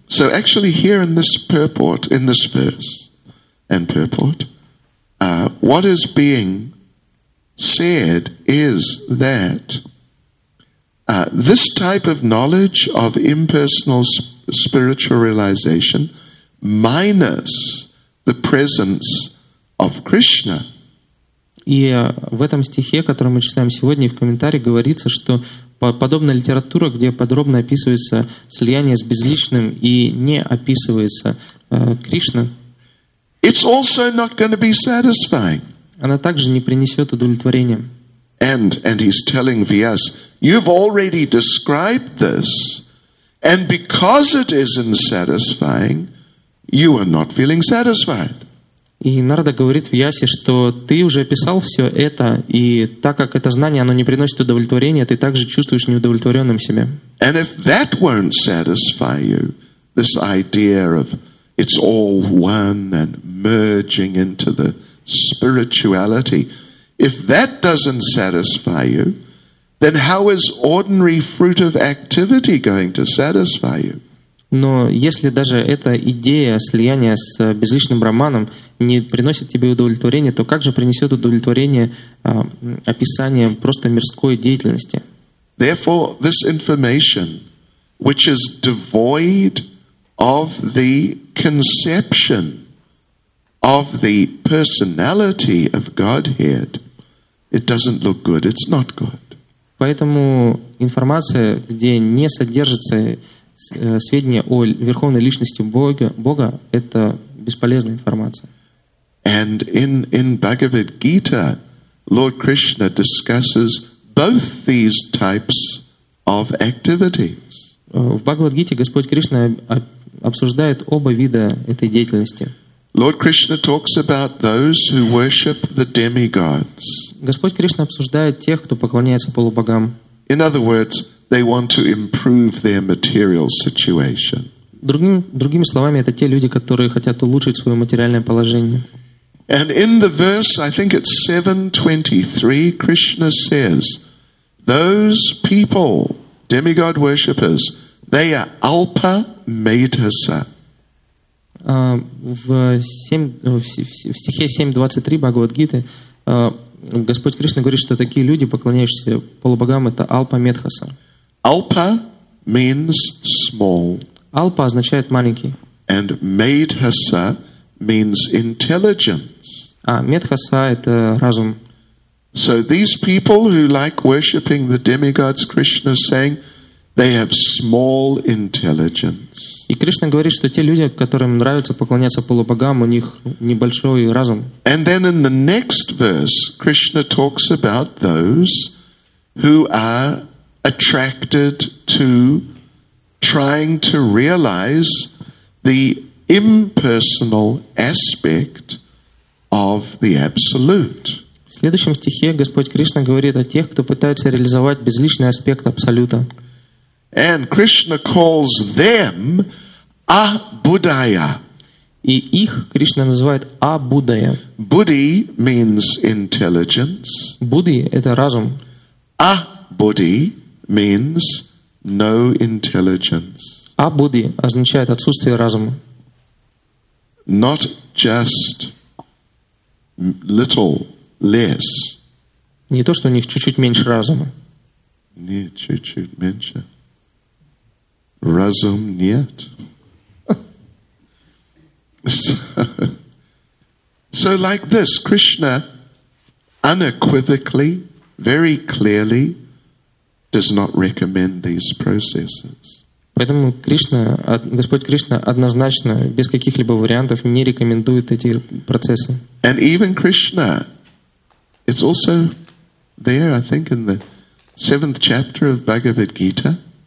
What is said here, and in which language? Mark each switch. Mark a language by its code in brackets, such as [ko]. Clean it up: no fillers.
[en] So actually here in this purport, in this verse and purport, what is being said is that this type of knowledge of impersonal spiritual realization minus the presence of Krishna. [ru] И в этом стихе, который мы читаем сегодня, в комментарии говорится, что подобная литература, где подробно описывается слияние с безличным и не описывается Кришна, [en] it's also not going to be satisfying. [ru] Она также не принесет удовлетворения. [en] And he's telling Vyas, you've already described this, and because it isn't satisfying, you are not feeling satisfied. [ru] И Нарада говорит Вьясе, что ты уже описал все это, и так как это знание, оно не приносит удовлетворения, ты также чувствуешь неудовлетворенным себя. [en] And if that won't satisfy you, this idea of it's all one and merging into the spirituality, if that doesn't satisfy you, then how is ordinary fruitive activity going to satisfy you? [ru] Но если даже эта идея слияния с безличным браманом не приносит тебе удовлетворения, то как же принесет удовлетворение описание просто мирской деятельности? [en] Therefore, this information, which is devoid of the conception of the personality of Godhead, it doesn't look good. It's not good. [ru] Поэтому информация, где не содержится сведения о верховной личности Бога, это бесполезная информация. [en] And in Bhagavad Gita, Lord Krishna discusses both these types of activities. [ru] В Бхагавад Гите Господь Кришна обсуждает оба вида этой деятельности. [en] Lord Krishna talks about those who worship the demigods. [ru] Господь Кришна обсуждает тех, кто поклоняется полубогам. [en] In other words, they want to improve their material situation. [ru] Другими словами, это те люди, которые хотят улучшить свое материальное положение. [en] And in the verse, I think it's 7:23, Krishna says, those people, demigod worshippers, they are alpa metasa. [ru] В стихе 7:23 Бхагавад-гиты Господь Кришна говорит, что такие люди, поклоняющиеся полубогам, это алпа метхаса. [en] Alpa means small. [ru] Alpa означает маленький. [en] And medhasa means intelligence. [ru] А медхаса — это разум. [en] So these people who like worshipping the demigods, Krishna is saying, they have small intelligence. [ru] И Кришна говорит, что те люди, которым нравится поклоняться полубогам, у них небольшой разум. [en] And then in the next verse, Krishna talks about those who are attracted to trying to realize the impersonal aspect of the Absolute. [ru] В следующем стихе Господь Кришна говорит о тех, кто пытается реализовать безличный аспект Абсолюта. [en] And Krishna calls them Абуддая. [ru] И их Кришна называет Абуддая. [en] Буддхи means intelligence. [ru] Будди — это разум. [en] Абуддхи means no intelligence. [ru] Абуддхи означает отсутствие разума. [en] Not just little less. [ru] Не то, что у них чуть-чуть меньше разума. Нет, чуть-чуть меньше. Разум нет. [en] So like this, Krishna unequivocally, very clearly, does not recommend these processes. [ru] Поэтому Кришна, Господь Кришна однозначно, без каких-либо вариантов, не рекомендует эти процессы. [en] And even Krishna, it's also there, I think, in the 7th chapter of Bhagavad Gita.